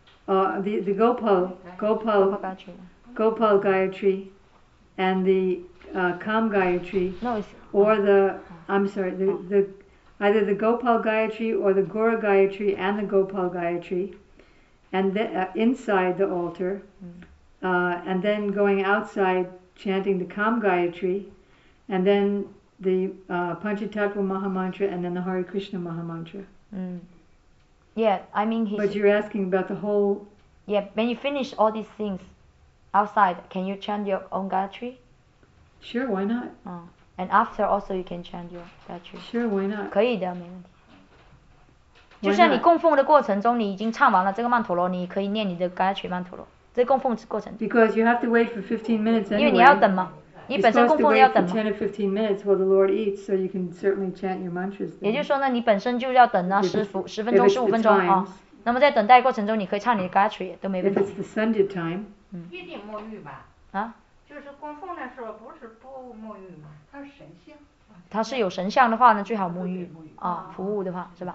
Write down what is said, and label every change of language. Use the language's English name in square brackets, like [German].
[English] The Gopal Gayatri and the Kam Gayatri, either the Gopal Gayatri or the Gaura Gayatri and the Gopal Gayatri, and inside the altar, and then going outside chanting the Kam Gayatri, and then the Panchatattva Maha Mantra and then the Hare Krishna Maha Mantra. But you're asking about the whole. Yeah, when you finish all these things outside, can you chant your own Gayatri? Sure, why not? And after also you can chant your Gayatri. Sure, why not? [Chinese] 可以的，没问题。就像你供奉的过程中，你已经唱完了这个曼陀罗，你可以念你的 Gayatri 曼陀罗。在供奉过程。 [English] Because you have to wait for 15 minutes anyway. [Chinese] 因为你要等嘛，你本身供奉要等嘛。 [English] 10 or 15 minutes while the Lord eats, so you can certainly chant your mantras. [Chinese] 也就是说呢，你本身就要等那10分钟、15分钟啊。那么在等待过程中，你可以唱你的 Gayatri 都没问题。 [English] If it's the Sunday time， [Chinese] 一定沐浴吧。啊？就是供奉的时候不是不沐浴吗？它是神像。它是有神像的话呢，最好沐浴啊，服务的话是吧？